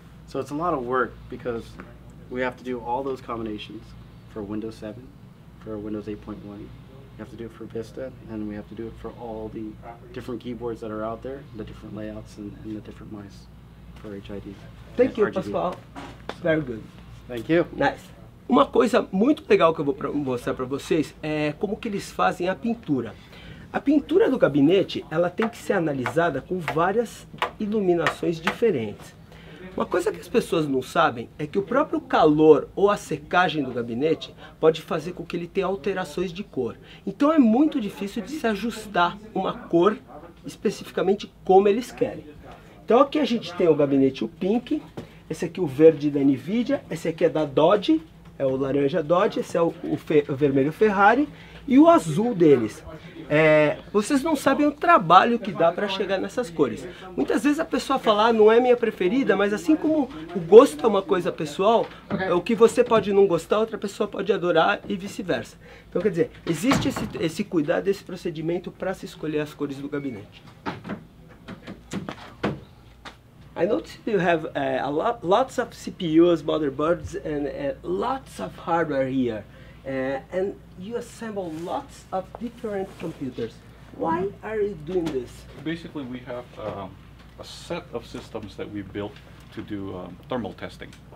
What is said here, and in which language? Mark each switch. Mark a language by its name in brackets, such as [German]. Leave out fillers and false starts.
[English] So it's a lot of work because we have to do all those combinations for Windows 7, for Windows 8.1. We have to do it for Vista, and we have to do it for all the different keyboards that are out there, the different layouts and the different mice for HID. Thank you, pessoal. Very good. Thank you. Nice. [Portuguese] Uma coisa muito legal que eu vou mostrar para vocês é como que eles fazem a pintura. A pintura do gabinete, ela tem que ser analisada com várias iluminações diferentes. Uma coisa que as pessoas não sabem é que o próprio calor ou a secagem do gabinete pode fazer com que ele tenha alterações de cor. Então é muito difícil de se ajustar uma cor especificamente como eles querem. Então aqui a gente tem o gabinete, o pink, esse aqui o verde da Nvidia, esse aqui é da Dodge, é o laranja Dodge, esse é o vermelho Ferrari e o azul deles. Vocês não sabem o trabalho que dá para chegar nessas cores. Muitas vezes a pessoa fala, ah, não é minha preferida, mas assim como o gosto é uma coisa pessoal, o que você pode não gostar, outra pessoa pode adorar e vice-versa. Então, quer dizer, existe esse cuidado, esse procedimento para se escolher as cores do gabinete. [English] I noticed you have lots of CPUs, motherboards, and lots of hardware here. And you assemble lots of different computers. Why are you doing this? Basically, we have a set of systems that we built to do thermal testing.